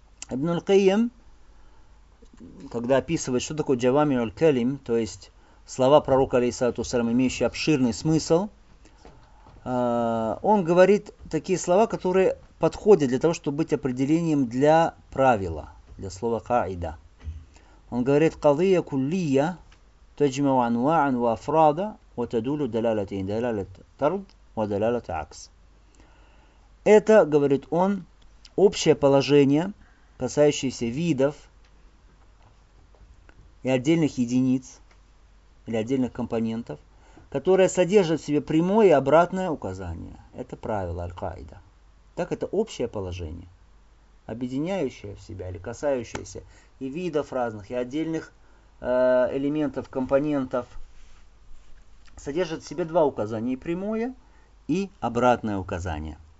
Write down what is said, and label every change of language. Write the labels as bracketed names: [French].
[Russian] Ибн аль-Кайим, когда описывает, что такое джавами аль-калим, то есть слова пророка, алейхиссалату вассалям, имеющие обширный смысл, он говорит такие слова, которые подходит для того, чтобы быть определением для правила, для слова каида. Он говорит: [Arabic] قضية كلية تجمع أنواعا وأفرادا وتدل دلالتين دلالة طرد ودلالة عكس. [Russian] Это, говорит он, общее положение, касающееся видов и отдельных единиц или отдельных компонентов, которое содержит в себе прямое и обратное указание. Это правило аль-каида. Так это общее положение, объединяющее в себя или касающееся и видов разных, и отдельных элементов, компонентов, содержит в себе два указания, и прямое, и обратное указание.